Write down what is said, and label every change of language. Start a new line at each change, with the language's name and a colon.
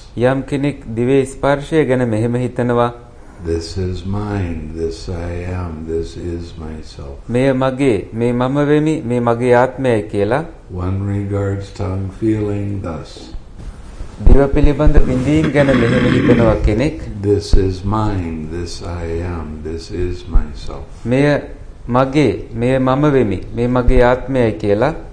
Sinhala: යම් කෙනෙක් දිවේ ස්පර්ශය ගැන මෙහෙම හිතනවා.
English: This is mine. This I am. This is myself.
Sinhala: මෙය මගේ මේ මම වෙමි මේ මගේ ආත්මයයි කියලා.
English: One regards tongue feeling thus.
Sinhala: දිවපිලිබඳ බින්දීන් ගැන මෙහෙම හිතනවා කෙනෙක්
English: this is mine this I am this is myself
Sinhala: මෙය මගේ මෙය මම වෙමි මේ මගේ ආත්මයයි කියලා